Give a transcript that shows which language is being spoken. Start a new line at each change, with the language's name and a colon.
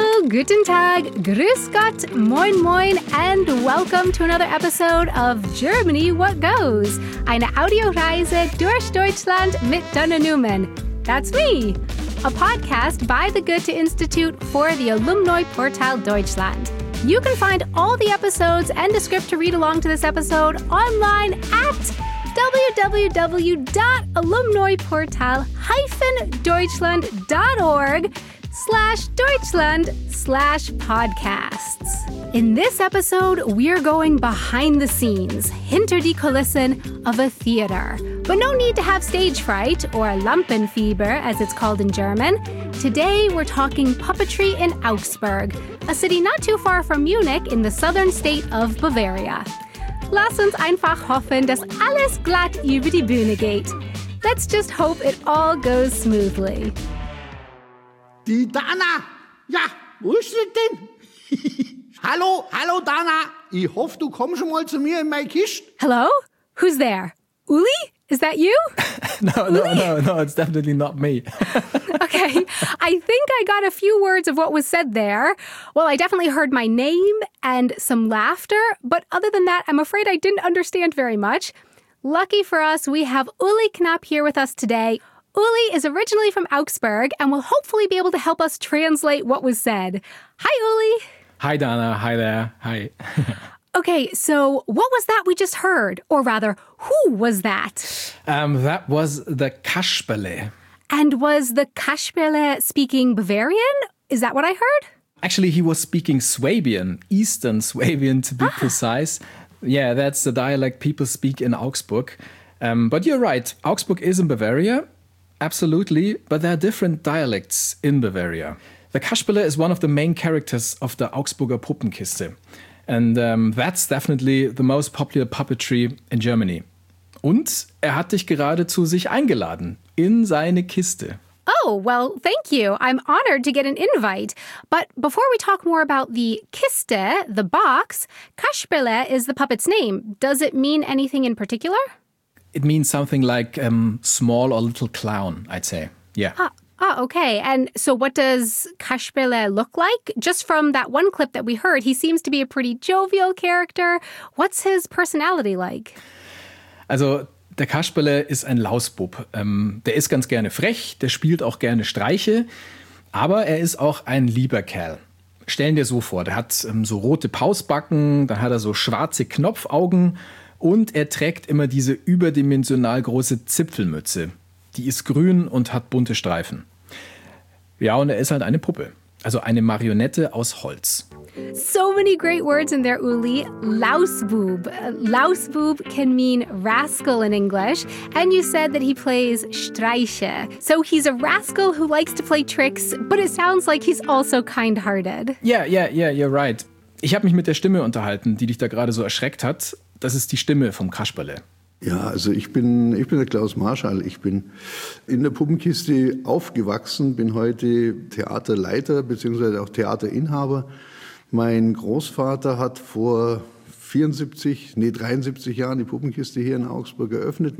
German: Guten Tag, Grüß Gott, Moin Moin,
English: and welcome to another episode of Germany What Goes,
German: eine Audioreise durch Deutschland mit Donna Newman.
English: That's me, a podcast by the Goethe Institute for the Alumni Portal Deutschland. You can find all the episodes and the script to read along to this episode online at www.alumniportal-deutschland.org/deutschland/podcasts. In this episode, we're going behind the scenes,
German: hinter die Kulissen
English: of a theater. But no need to have stage fright, or Lampenfieber, as it's called in German. Today, we're talking puppetry in Augsburg, a city not too far from Munich in the southern state of Bavaria.
German: Lass uns einfach hoffen, dass alles glatt über die Bühne geht.
English: Let's just hope it all goes smoothly.
German: Die Dana! Ja, wo ist sie denn? Hallo, hallo Dana! Ich hoffe, du kommst mal zu mir in meine Kiste.
English: Hello? Who's there? Uli? Is that you? No, it's definitely not me. Okay, I think I got a few words of what was said there. Well, I definitely heard my name and some laughter, but other than that, I'm afraid I didn't understand very much. Lucky for us, we have Uli Knapp here with us today. Uli is originally from Augsburg and will hopefully be able to help us translate what was said. Hi, Uli. Hi, Dana. Hi there. Hi. Okay, so what was that we just heard? Or rather, who was that? That was the Kasperle. And was the Kasperle speaking Bavarian? Is that what I heard? Actually, he was speaking Swabian, Eastern Swabian to be precise. Yeah, that's the dialect people speak in Augsburg. But you're right, Augsburg is in Bavaria, absolutely, but there are different dialects in Bavaria. The Kasperle is one of the main characters of the Augsburger Puppenkiste. And that's definitely the most popular puppetry in Germany.
German: Und er hat dich gerade zu sich eingeladen, in seine Kiste.
English: Oh, well, thank you. I'm honored to get an invite. But before we talk more about the Kiste, the box, Kasperle is the puppet's name. Does it mean anything in particular? It means something like small or little clown, I'd say. Yeah. Ah, okay. And so what does Kasperle look like? Just from that one clip that we heard, he seems to be a pretty jovial character. What's his personality like?
German: Also, der Kasperle ist ein Lausbub. Der ist ganz gerne frech, der spielt auch gerne Streiche, aber er ist auch ein lieber Kerl. Stellen dir so vor, der hat so rote Pausbacken, dann hat er so schwarze Knopfaugen und er trägt immer diese überdimensional große Zipfelmütze. Die ist grün und hat bunte Streifen. Ja, und er ist halt eine Puppe. Also eine Marionette aus Holz.
English: So many great words in there, Uli. Lausbub. Lausbub can mean rascal in English. And you said that he plays Streiche. So he's a rascal who likes to play tricks, but it sounds like he's also kind-hearted. Yeah, you're right.
German: Ich habe mich mit der Stimme unterhalten, die dich da gerade so erschreckt hat. Das ist die Stimme vom Kasperle. Ja, also ich bin der Klaus Marschall. Ich bin in der Puppenkiste aufgewachsen, bin heute Theaterleiter bzw. auch Theaterinhaber. Mein Großvater hat vor 73 Jahren die Puppenkiste hier in Augsburg eröffnet.